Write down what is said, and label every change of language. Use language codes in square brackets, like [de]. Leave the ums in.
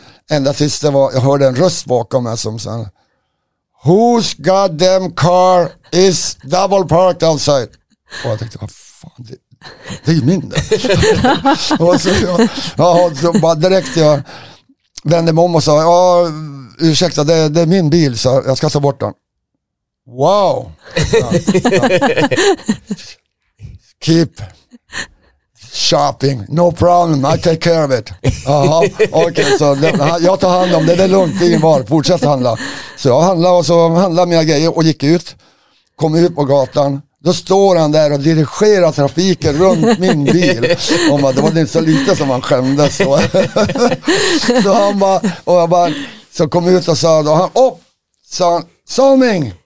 [sv] Ända tills det var, jag hörde en röst bakom mig som sa [en] Whose goddamn car is double parked outside? [sv] Och jag tänkte, vad fan, det, det är ju min där. och så, jag, ja, så bara direkt jag vände mig om och sa, ja, ursäkta, det, det är min bil, så jag ska ta bort den. Wow! Ja, ja. [en] Keep shopping, no problem, I take care of it. [sv] Jaha, okej, så lämna- jag tar hand om det, det är lugnt, ingen var, fortsätt handla. Så jag handlade och så handlade mina grejer och gick ut, kom ut på gatan, då står han där och dirigerar trafiken runt min bil. Och bara, det var inte så lite som han skämdes. Så, så han bara, och jag bara, så kom ut och sa då, han, åh, sa han, Salming!